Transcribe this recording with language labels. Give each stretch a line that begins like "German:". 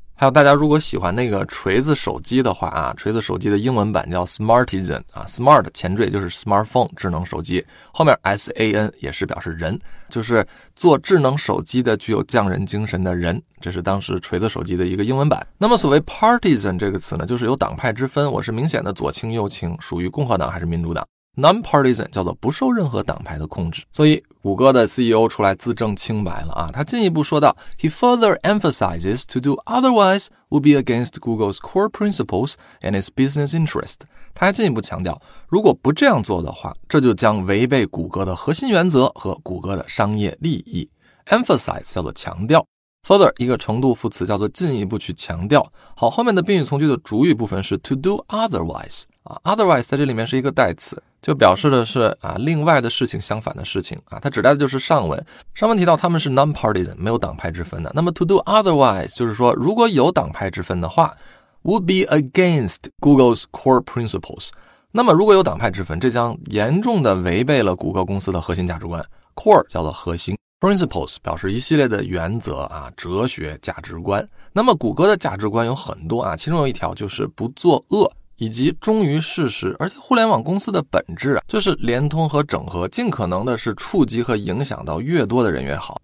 Chinese: 还有大家如果喜欢那个锤子手机的话啊，锤子手机的英文版叫 Smartisan 啊， Smart 前缀就是 Smartphone 智能手机，后面 S-A-N 也是表示人，就是做智能手机的具有匠人精神的人，这是当时锤子手机的一个英文版。那么所谓 Partisan 这个词呢，就是有党派之分，我是明显的左倾右倾，属于共和党还是民主党。 Non-Partisan 叫做不受任何党派的控制。所以谷歌的 CEO 出来自证清白了啊，他进一步说道
English: He further emphasizes to do otherwise would be against Google's core principles and its business interest.
Chinese: 他还进一步强调，如果不这样做的话，这就将违背谷歌的核心原则和谷歌的商业利益。 Emphasize 叫做强调， Further 一个程度副词叫做进一步去强调。好，后面的宾语从句的主语部分是
English: to do otherwise
Chinese: otherwise 在这里面是一个代词，就表示的是啊，另外的事情，相反的事情啊，它指代的就是上文。上文提到他们是 non-partisan， 没有党派之分的。那么
English: to do otherwise
Chinese: 就是说，如果有党派之分的话 ，
English: would be against Google's core principles。
Chinese: 那么如果有党派之分，这将严重的违背了谷歌公司的核心价值观。 core 叫做核心 ，principles 表示一系列的原则啊、哲学、价值观。那么谷歌的价值观有很多啊，其中有一条就是不作恶。以及忠于事实，而且互联网公司的本质啊，就是联通和整合，尽可能的是触及和影响到越多的人越好。